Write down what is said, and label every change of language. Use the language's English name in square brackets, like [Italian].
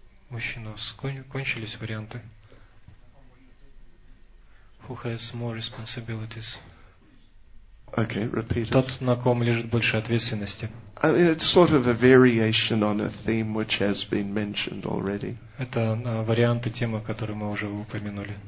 [Russian] Мужчина, кончились варианты. [English] Who has more responsibilities? Okay, repeat. [Russian] Тот, на ком лежит больше ответственности. [English] I mean, it's sort of a variation on a theme which has been mentioned already. [Russian] Это варианты темы, которые мы уже упомянули.